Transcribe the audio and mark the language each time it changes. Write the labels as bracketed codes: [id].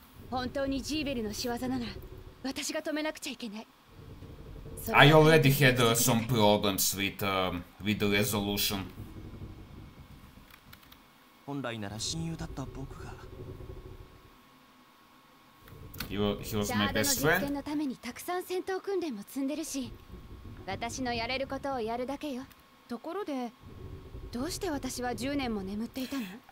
[ja] 本当にジーベルの仕業なら、私が止めなくちゃいけない。 [en] I already had some problems with the resolution. [ja] 本来なら親友だった僕が。 [en] He was my best friend. [ja] ジャードの実験のためにたくさん戦闘訓練も積んでるし、私のやれることをやるだけよ。ところで、どうして私は10年も眠っていたの？